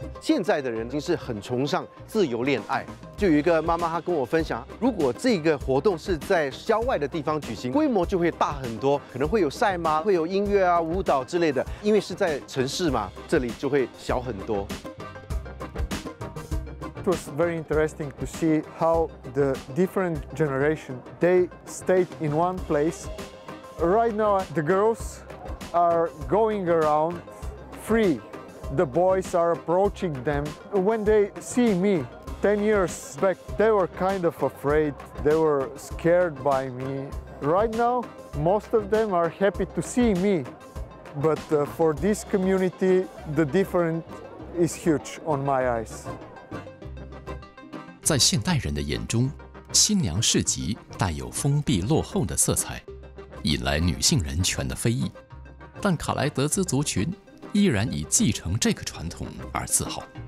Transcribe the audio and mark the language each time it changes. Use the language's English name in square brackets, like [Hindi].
[Chinese] 现在的人已经是很崇尚自由恋爱。就有一个妈妈，她跟我分享，如果这个活动是在郊外的地方举行，规模就会大很多，可能会有赛马，会有音乐啊、舞蹈之类的，因为是在城市嘛，这里就会小很多。 [English] It was very interesting to see how the different generation they stayed in one place. Right now, the girls are going around free. The boys are approaching them when they see me. 10 years back, they were kind of afraid. They were scared by me. Right now, most of them are happy to see me. But for this community, the difference is huge on my eyes. [Chinese] 在现代人的眼中，新娘市集带有封闭落后的色彩，引来女性人权的非议。但卡莱德兹族群依然以继承这个传统而自豪。